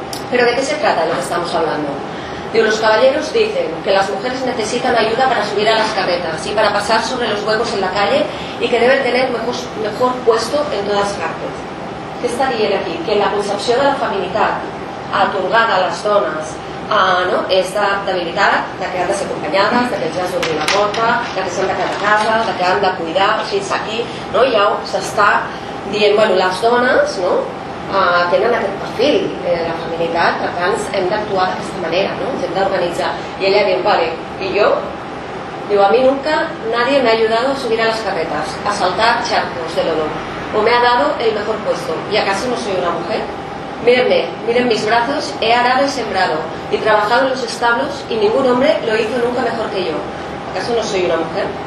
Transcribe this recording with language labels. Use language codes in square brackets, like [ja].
[es] Pero ¿de qué se trata lo que estamos hablando? Digo, los caballeros dicen que las mujeres necesitan ayuda para subir a las carretas y para pasar sobre los huevos en la calle y que deben tener mejor puesto en todas partes. ¿Qué estaría aquí? Que la concepción de la feminidad otorgada a las donas no? [ca] És de debilitat, de que han de ser acompanyades, de que ja has d'obrir la porta, de que sempre queda a casa, de que han de cuidar, fins aquí, no? Ja s'està dient, bueno, les dones, no? Tenen aquest perfil de la feminitat, per tant, hem d'actuar d'aquesta manera, no? Ens hem d'organitzar. I ella diu, vale, i jo? [es] Diu, a mi nunca nadie me ha ayudado a subir a las carretas, a saltar charcos de lodo, o me ha dado el mejor puesto, y acaso no soy una mujer? Mírenme, miren mis brazos, he arado y sembrado, y trabajado en los establos, y ningún hombre lo hizo nunca mejor que yo. ¿Acaso no soy una mujer?